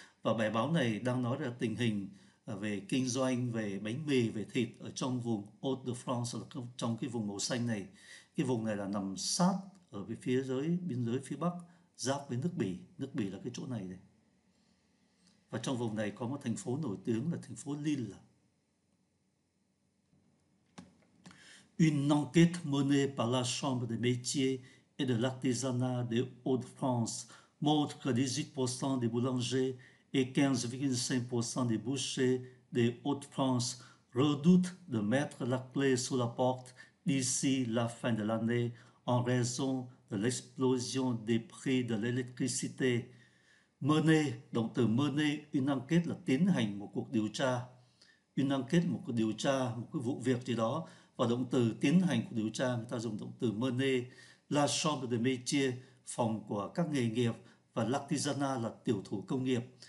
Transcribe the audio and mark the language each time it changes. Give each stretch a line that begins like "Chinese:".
Vietnamese: Và bài báo này đang nói là tình hình về kinh doanh, về bánh mì, về thịt ở trong vùng Hauts-de-France, trong cái vùng màu xanh này. Cái vùng này là nằm sát ở phía dưới, biên giới phía Bắc, giáp với nước Bỉ. Nước Bỉ là cái chỗ này đây. Và trong vùng này có một thành phố nổi tiếng là thành phố Lille.
French: Une enquête menée par la Chambre des métiers et de l'artisanat des Hauts-de-France montre que 18% des boulangers et 15,5% des bouchers des Hauts-de-France redoutent de mettre la clé sous la porte d'ici la fin de l'année en raison de l'explosion des prix de l'électricité. Mener, donc de mener une enquête,
Vietnamese: là tiến hành một cuộc điều tra.
French: Une enquête,
Vietnamese: một cuộc điều tra, một cái vụ việc gì đó. Và động từ tiến hành của điều tra, người ta dùng động từ mener.
French: La chambre de métier,
Vietnamese: phòng của các nghề nghiệp, và l'artisanat là tiểu thủ công nghiệp.